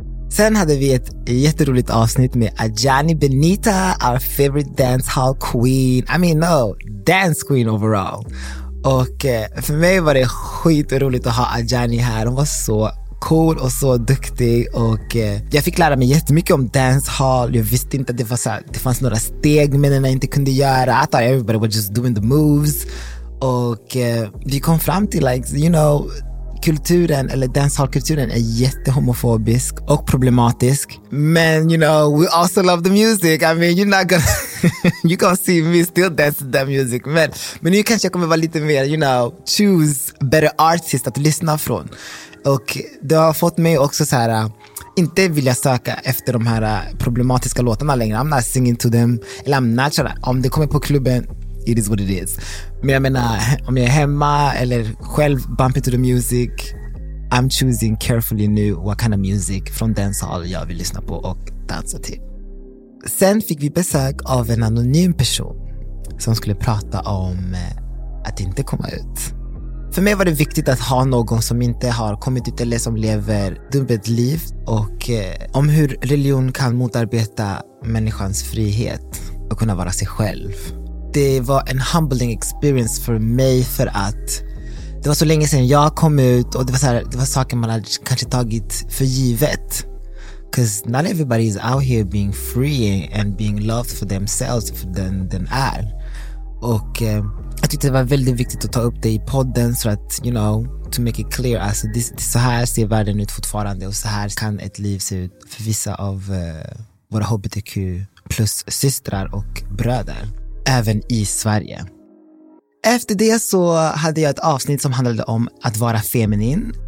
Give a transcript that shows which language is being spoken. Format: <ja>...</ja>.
<sv>Sen hade vi ett jätteroligt avsnitt med Ajani Benita,</sv> <en>our favorite dancehall queen. I mean no, dance queen overall.</en> <sv>Och för mig var det skitroligt att ha Ajani här. Hon var så cool och så duktig och jag fick lära mig jättemycket om dancehall. Jag visste inte att det fanns några steg men jag inte kunde göra.</sv> <en>I thought everybody was just doing the moves.</en> <sv>Och vi kom fram till</sv> <en>like, you know,</en> <sv>kulturen eller dancehall-kulturen är jättehomofobisk och problematisk.</sv> <en>Men you know, we also love the music. I mean, you're not gonna you gonna see me still dancing that music.</en> <sv>Men nu kanske jag kommer vara lite mer,</sv> <en>you know, choose better artists</en> <sv>att lyssna från. Och det har fått mig också så här, inte vilja söka efter de här problematiska låtarna längre.</sv> <en>I'm not singing to them. Eller I'm not sure.</en> <sv>Om det kommer på klubben,</sv> <en>it is what it is.</en> <sv>Men jag menar, om jag är hemma eller själv</sv> <en>bump into the music, I'm choosing carefully</en> <sv>nu</sv> <en>what kind of music</en> <sv>från dancehall jag vill lyssna på och dansa till. Sen fick vi besök av en anonym person som skulle prata om att inte komma ut. För mig var det viktigt att ha någon som inte har kommit ut eller som lever dubbelt liv och om hur religion kan motarbeta människans frihet och kunna vara sig själv. Det var en</sv> <en>humbling experience</en> <sv>för mig för att det var så länge sedan jag kom ut och det var, så här, det var saker man hade kanske tagit för givet.</sv> <en>Because not everybody is out here being free and being loved for themselves for than they are.</en> <sv>Och jag tyckte det var väldigt viktigt att ta upp det i podden så att,</sv> <en>you know, to make it clear.</en> <sv>Alltså, så här ser världen ut fortfarande och så här kan ett liv se ut för vissa av våra HBTQ plus systrar och bröder. Även i Sverige. Efter det så hade jag ett avsnitt som handlade om att vara feminin.</sv>